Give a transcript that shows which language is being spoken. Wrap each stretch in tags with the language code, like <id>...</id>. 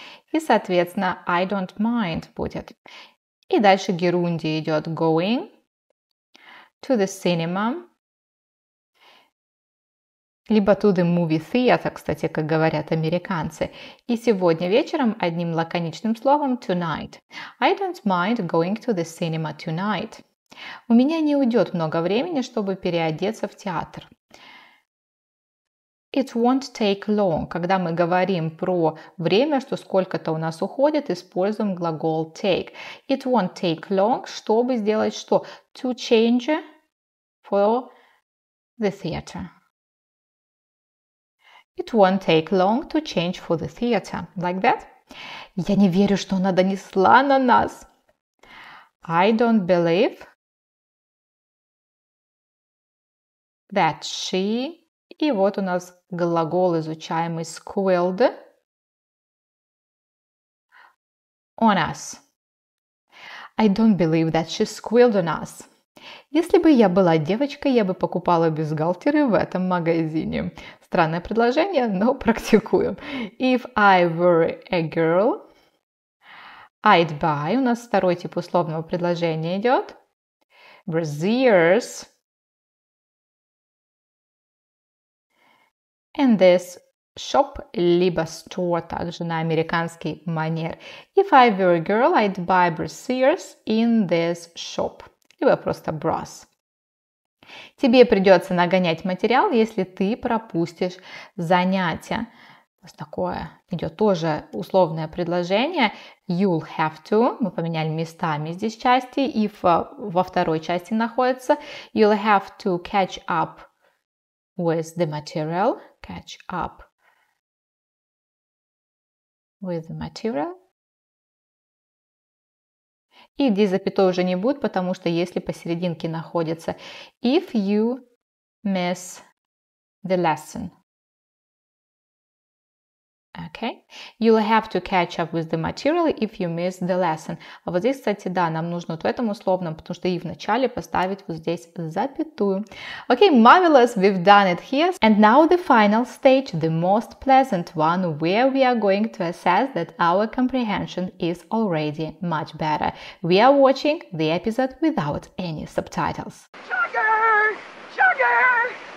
<ru>И, соответственно,</ru> <en>I don't mind</en> <ru>будет. И дальше герундий идет</ru> <en>going to the cinema.</en> <ru>Либо to the movie theater, кстати, как говорят американцы. И сегодня вечером одним лаконичным словом tonight.</ru> <en>I don't mind going to the cinema tonight.</en> <ru>У меня не уйдет много времени, чтобы переодеться в театр.</ru> <en>It won't take long.</en> <ru>Когда мы говорим про время, что сколько-то у нас уходит, используем глагол take.</ru> <en>It won't take long,</en> <ru>чтобы сделать что?</ru> <en>To change for the theater. It won't take long to change for the theater. Like that?</en> <ru>Я не верю, что она донесла на нас.</ru> <en>I don't believe that she...</en> <ru>И вот у нас глагол изучаемый</ru> <en>squealed on us. I don't believe that she squealed on us.</en> <ru>Если бы я была девочкой, я бы покупала бюстгальтеры в этом магазине. Странное предложение, но практикуем.</ru> <en>If I were a girl, I'd buy.</en> <ru>У нас второй тип условного предложения идет.</ru> <en>Brassieres. In this shop,</en> <ru>либо store, также на американский манер.</ru> <en>If I were a girl, I'd buy brassieres in this shop.</en> <ru>Либо просто brass. Тебе придется нагонять материал, если ты пропустишь занятия. Вот такое идет тоже условное предложение.</ru> <en>You'll have to.</en> <ru>Мы поменяли местами здесь части. If во второй части находится.</ru> <en>You'll have to catch up with the material. Catch up with the material.</en> <ru>И где запятой уже не будет, потому что если посерединке находится.</ru> <en>If you miss the lesson. Okay. You'll have to catch up with the material if you miss the lesson.</en> <ru>А вот здесь, кстати, да, нам нужно вот в этом условном, потому что и в начале поставить вот здесь запятую.</ru> <en>Okay, marvelous, we've done it here. And now the final stage, the most pleasant one, where we are going to assess that our comprehension is already much better. We are watching the episode without any subtitles. Sugar!</en>